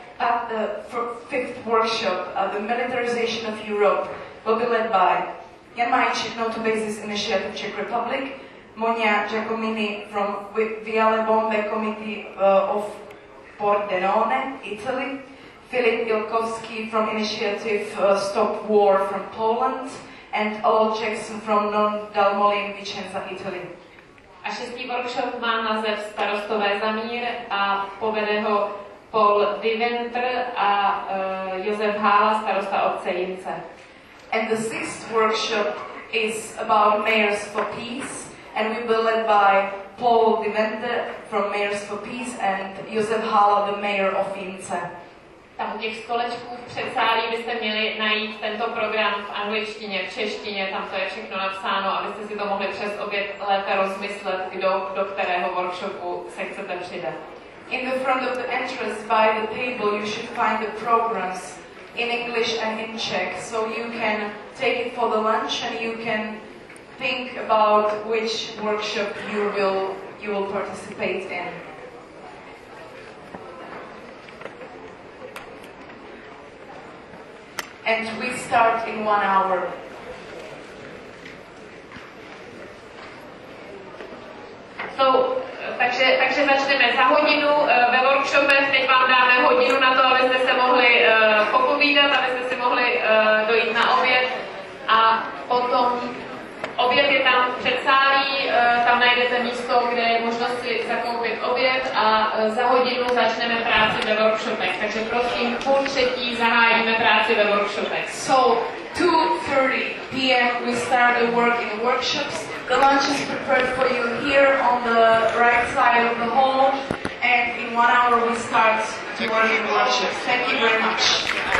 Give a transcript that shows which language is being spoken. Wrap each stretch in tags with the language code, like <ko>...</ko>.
<en>At the fifth workshop, the militarization of Europe, will be led by Jan Majíček, No to Basis Initiative, Czech Republic, Monia Giacomini from Via le Bombe Committee of Pordenone, Italy, Filip Ilkovský from Initiative Stop War from Poland, and Olof Jackson from Non Dal Molin Vicenza, Italy.</en> <cs>A šestý workshop má název Starostové za mír a povede ho Paul Diventer a Josef Hála, starosta obce Jince.</cs> <en>And the sixth workshop is about Mayors for Peace, and we will led by Paul Diventer from Mayors for Peace and Josef Hála, the mayor of Jince.</en> <cs>Tam u těch stolečků v předsálí byste měli najít tento program v angličtině, v češtině, tam to je všechno napsáno, abyste si to mohli přes oběd lépe rozmyslet, kdo do kterého workshopu se chcete přidat.</cs> <en>In the front of the entrance by the table you should find the programs in English and in Czech, so you can take it for the lunch and you can think about which workshop you will participate in. And we start in 1 hour.</en> <cs>So, takže začneme za hodinu ve workshopech. Teď vám dáme hodinu na to, abyste se mohli popovídat, abyste si mohli dojít na oběd. A potom oběd je tam v předsálí, tam najdete místo, kde je možnost si zakoupit oběd, a za hodinu začneme práci ve workshopech. Takže prosím, půl třetí zahájíme práci ve workshopech.</cs> <en>So, 2:30 p.m. we start the work in the workshops. The lunch is prepared for you here on the right side of the hall. And in 1 hour we start working in the workshops. Thank you very much.</en>